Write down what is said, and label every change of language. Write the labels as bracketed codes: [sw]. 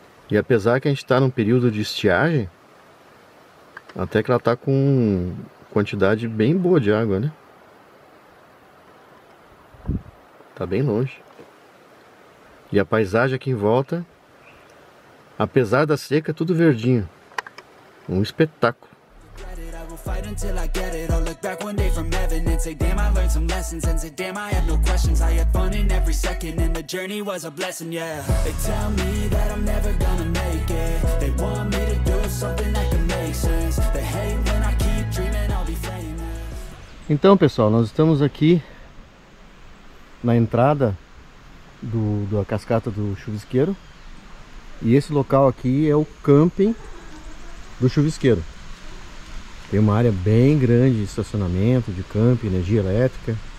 [pt] E apesar que a gente está num período de estiagem, até que ela está com quantidade bem boa de água, né? Tá bem longe. E a paisagem aqui em volta, apesar da seca, tudo verdinho. Um espetáculo. [en] Until I get it, I'll look back one day from heaven and say, damn, I learned some lessons. And say, damn, I had no questions. I had fun in every second, and the journey was a blessing, yeah. They tell me that I'm never gonna make it. They want me to do something that can make sense. They hate when I keep dreaming, I'll be famous. [pt] Então, pessoal, nós estamos aqui na entrada da cascata do Chuvisqueiro. E esse local aqui é o camping do Chuvisqueiro. Tem uma área bem grande de estacionamento, de camping, energia elétrica.